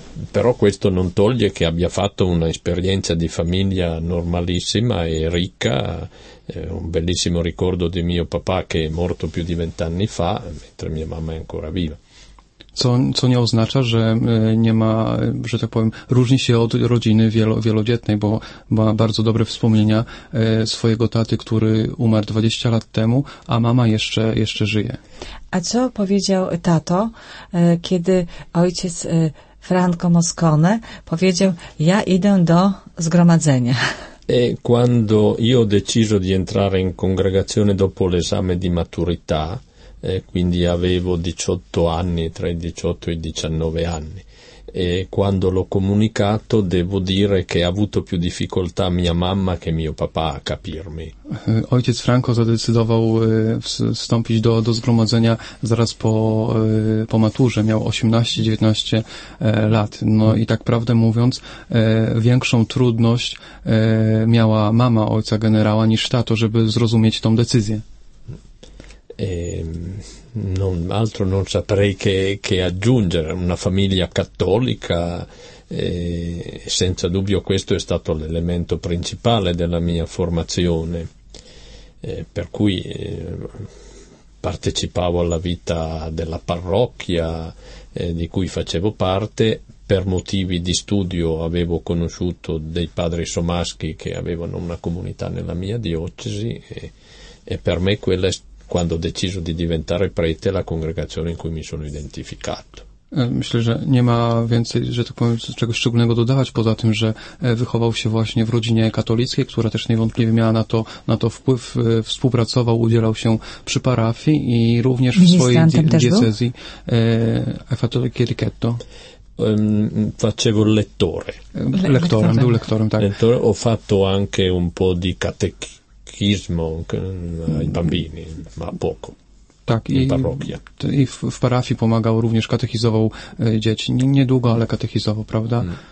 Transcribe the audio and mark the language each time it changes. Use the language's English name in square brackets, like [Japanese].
[Italian] Però questo non toglie che abbia fatto una esperienza di famiglia normalissima e ricca, un bellissimo ricordo di mio papà che è morto più di 20 anni fa, mentre mia mamma è ancora viva. [Polish] Co nie oznacza, że nie ma, że tak powiem, różni się od rodziny wielodzietnej, bo ma bardzo dobre wspomnienia swojego taty, który umarł 20 lat temu, a mama jeszcze żyje. A co powiedział tato, kiedy ojciec Franco Moscone powiedział, ja idę do zgromadzenia? [Italian] E quando io ho deciso di entrare in congregazione dopo l'esame di maturità, quindi avevo 18 anni, tra i 18 e i 19 anni. E quando l'ho comunicato, devo dire che ha avuto più difficoltà mia mamma che mio papà a capirmi. [Polish] Ojciec Franco zadecydował wstąpić do zgromadzenia zaraz po maturze. Miał 18-19 lat. No i tak prawdę mówiąc, większą trudność miała mama ojca generała niż tato, żeby zrozumieć tą decyzję. [Italian] Non altro non saprei che aggiungere, una famiglia cattolica, senza dubbio questo è stato l'elemento principale della mia formazione, per cui partecipavo alla vita della parrocchia di cui facevo parte, per motivi di studio avevo conosciuto dei padri somaschi che avevano una comunità nella mia diocesi e per me quella è quando ho deciso di diventare prete la congregazione in cui mi sono identificato. [Polish] Myślę, że nie ma więcej, że tak powiem, czegoś szczególnego dodawać poza tym, że wychował się właśnie w rodzinie katolickiej, która też niewątpliwie miała na to wpływ, współpracował, udzielał się przy parafii i również w swojej diecezji Fatolichetto. [Italian] Facevo lettore. [Polish] Lektorem, był lektorem, tak. [Italian] Lettore, ho fatto anche un po' di catechi. Chismo ai bambini, ma poco. [Polish] Tak, i w parafii pomagał, również katechizował dzieci. Niedługo, ale katechizował, prawda?